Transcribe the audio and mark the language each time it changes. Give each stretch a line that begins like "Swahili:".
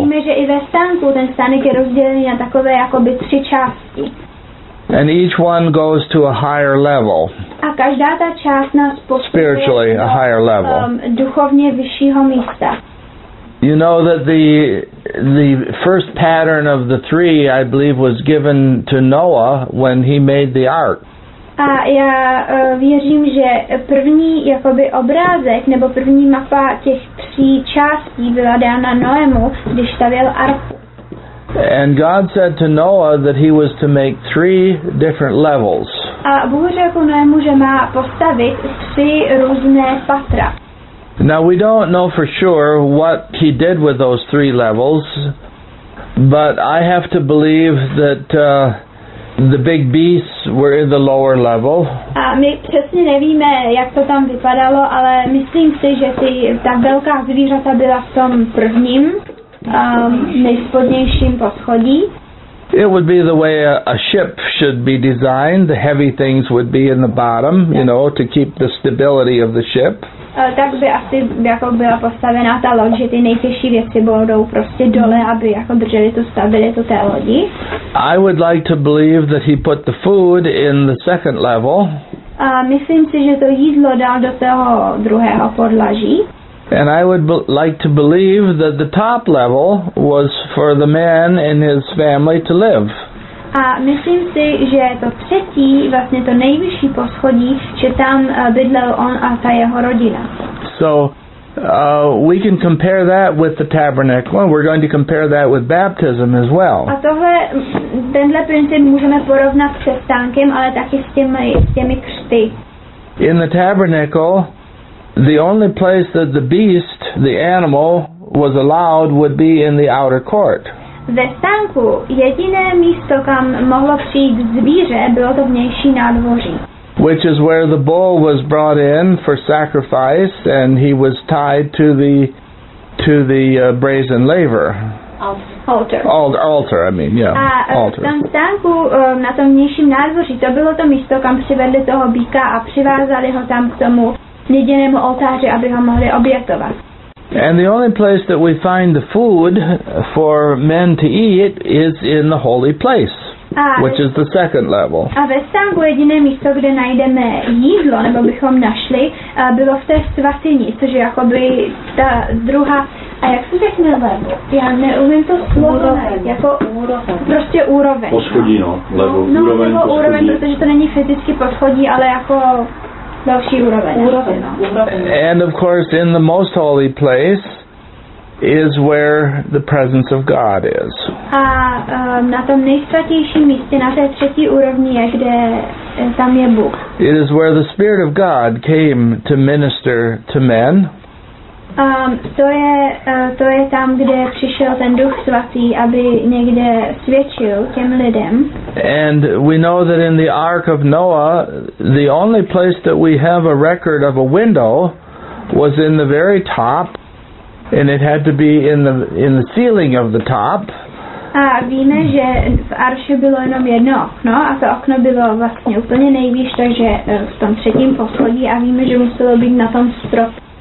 Czech: Víme, že i ve stánku ten stánek je rozdělený na takové jakoby tři části.
English: And each one goes to a higher level.
Czech: A každá ta část nás postupuje
English: spiritually, a higher level.
Czech: Duchovně vyššího místa.
English: You know that the first pattern of the three, I believe, was given to Noah when he made the ark.
Czech: A já věřím, že první jakoby obrázek nebo první mapa těch tří částí byla dána Noému, když stavěl arku.
English: And God said to Noah that he was to make three different levels.
Czech: A Bůh řekl Noému, že má postavit tři různé patra.
English: Now we don't know for sure what he did with those three levels, but I have to believe that the big beasts were in the lower level.
Czech: A my přesně nevíme, jak to tam vypadalo, ale myslím si, že ta velká zvířata byla v tom prvním, nejspodnějším poschodí.
English: It would be the way a ship should be designed. The heavy things would be in the bottom, you know, to keep the stability of the ship.
Czech: Tak by asi jako byla postavená ta loď, že ty nejtěžší věci budou prostě dole, aby jako drželi tu stabilitu té lodi.
English: I would like to believe that he put the food in the second level.
Czech: A myslím si, že to jídlo dal do toho druhého podlaží.
English: And I would like to believe that the top level was for the man and his family to live.
Czech: A myslím si, že to třetí, vlastně to nejvyšší poschodí, že tam bydlel on a ta jeho rodina.
English: So, we can compare that with the tabernacle, and we're going to compare that with baptism as well.
Czech: A tohle, tenhle princip můžeme porovnat se stánkem, ale taky s těmi křty.
English: In the tabernacle, the only place that the beast, the animal, was allowed would be in the outer court.
Czech: Ve stánku jediné místo, kam mohlo přijít zvíře, bylo to vnější nádvoří.
English: Which is where the bull was brought in for sacrifice, and he was tied to the brazen laver. Altar. Altar, I mean, yeah. A altar.
Czech: V tom stánku, na tom vnějším nádvoří, to bylo to místo, kam přivedli toho býka a přivázali ho tam k tomu lidinému oltáři, aby ho mohli obětovat.
English: And the only place that we find the food for men to eat is in the holy place, which is the second level.
Czech: A ve stánku jediné místo, kde najdeme jídlo, nebo bychom našli, bylo v té svatyni, což je jakoby ta druhá... A jak se řekne level? Já neumím to slovo. Úroveň. Jako úroveň. Prostě úroveň. Poschodí, no. Level. No, úroveň, nebo úroveň, protože to není fyzicky poschodí, ale jako...
English: And of course, in the most holy place is where the presence of God is.
Czech: A na tom nejsvatějším místě, na té třetí úrovni, je, kde tam je Bůh.
English: It is where the Spirit of God came to minister to men.
Czech: To je tam, kde přišel ten Duch Svatý, aby někde svědčil těm lidem.
English: And we know that in the Ark of Noah, the only place that we have a record of a window was in the very top, and it had to be in the ceiling of the top.
Czech: A víme, že v Arši bylo jenom jedno okno, a to okno bylo vlastně úplně nejvíš, takže v tom třetím poschodí, a víme, že muselo být na tom stropu.